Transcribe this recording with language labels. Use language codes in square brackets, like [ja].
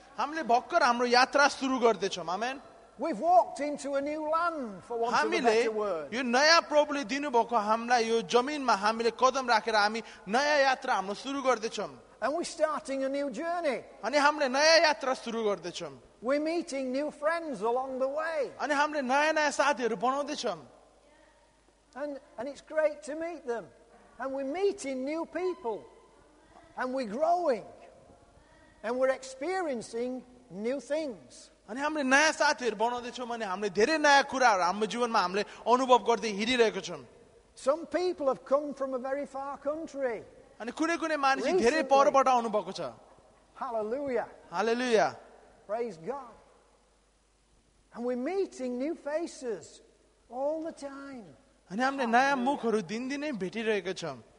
[ne] हामीले भक्कर हाम्रो यात्रा सुरु गर्दै छौं आमेन [en] We've walked into a new land for want of a better word. [ne] यो नया प्रभुले दिनुभएको हामीलाई यो जमिनमा हामीले कदम राखेर हामी नया यात्रा हाम्रो सुरु गर्दै छम। [en] And we're starting a new journey. [ne] अनि हामीले नया यात्रा सुरु गर्दै छम। [en] We're meeting new friends along the way. [ne] अनि हामीले नया नया साथीहरू बनाउँदै छम। [en] And it's great to meet them. And we're meeting new people. And we're growing. And we're experiencing new things. [ne] अनि हामीले नयाँ साथीहरू बनाउँदै छौं अनि हामीले धेरै नयाँ कुराहरू हाम्रो जीवनमा हामीले अनुभव गर्दै हिँडिरहेको छौं [en] some people have come from a very far country [ne] अनि कुनै मानिस धेरै परबाट आउनु भएको छ [en] hallelujah hallelujah praise god and we're meeting new faces all the time [ne] अनि हामीले नयाँ मुखहरू दिनदिनै भेटिरहेको छौं